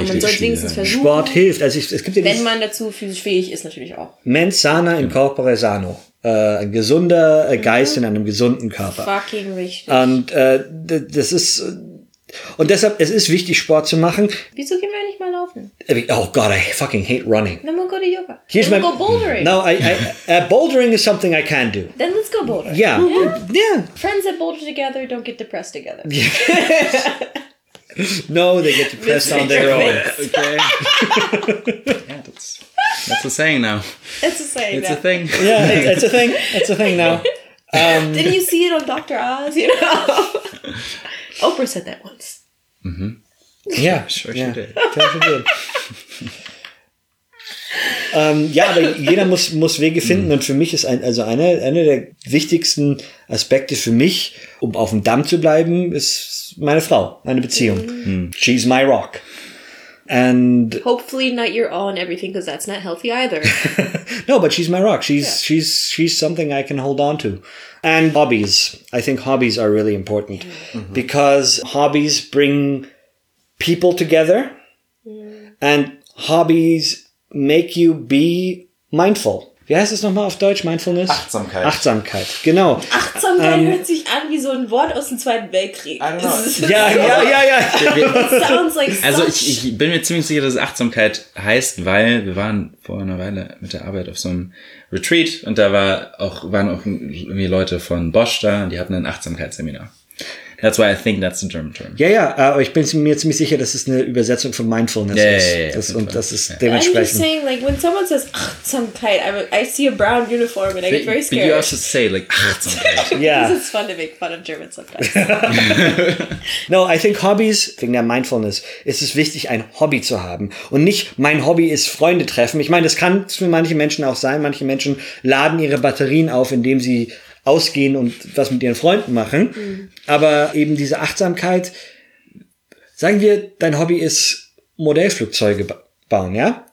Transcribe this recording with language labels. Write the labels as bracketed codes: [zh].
[de] und man sollte wenigstens versuchen. Sport hilft. Also es gibt ja wenn man dazu physisch fähig ist, natürlich auch. [la] Mens sana in corpore sano. [de] Ein gesunder Geist in einem gesunden Körper. Fucking richtig. Und das ist. Und deshalb, es ist wichtig, Sport zu machen. Wieso gehen wir nicht mal laufen? [en] Oh God, I fucking hate running. Then we'll go to yoga. Here's then we'll go bouldering. No, bouldering is something I can do. Then let's go bouldering. Yeah. Yeah. Friends that boulder together don't get depressed together. No, they get depressed on their own. Okay. Yeah, that's a saying now. It's a saying It's now. A thing. Yeah, it's a thing. It's a thing now. Didn't you see it on Dr. Oz, you know? Oprah said that once. Mm-hmm. Yeah, sure yeah. She did. [de] ja, aber jeder muss Wege finden. Mhm. Und für mich ist einer der wichtigsten Aspekte für mich, um auf dem Damm zu bleiben, ist meine Frau, meine Beziehung. Mhm. [en] She's my rock. And hopefully not your all and everything, because that's not healthy either. No, but she's my rock. She's something I can hold on to. And hobbies. I think hobbies are really important. Mm-hmm. Because hobbies bring people together. Mm. And hobbies make you be mindful. [de] Wie heißt es nochmal auf Deutsch? [en] Mindfulness? [de] Achtsamkeit. Achtsamkeit, genau. Achtsamkeit hört sich an wie so ein Wort aus dem Zweiten Weltkrieg. [en] I don't know. [de] Ja. [en] Sounds like [de] also ich bin mir ziemlich sicher, dass es Achtsamkeit heißt, weil wir waren vor einer Weile mit der Arbeit auf so einem Retreat und da waren auch irgendwie Leute von Bosch da und die hatten ein Achtsamkeitsseminar. [en] That's why I think that's the German term. [de] Ja, ja, aber ich bin mir ziemlich sicher, dass es eine Übersetzung von Mindfulness ist. Das, und das ist dementsprechend. [en] I'm just saying, like, when someone says Achtsamkeit, I see a brown uniform and I get very scared. But you also say, like, Achtsamkeit. Yeah. Because it's fun to make fun of German sometimes. No, I think hobbies, [de] wegen der Mindfulness, ist es wichtig, ein Hobby zu haben. Und nicht, mein Hobby ist Freunde treffen. Ich meine, das kann für manche Menschen auch sein. Manche Menschen laden ihre Batterien auf, indem sie ausgehen und was mit ihren Freunden machen. Mhm. Aber eben diese Achtsamkeit. Sagen wir, dein Hobby ist Modellflugzeuge bauen, ja?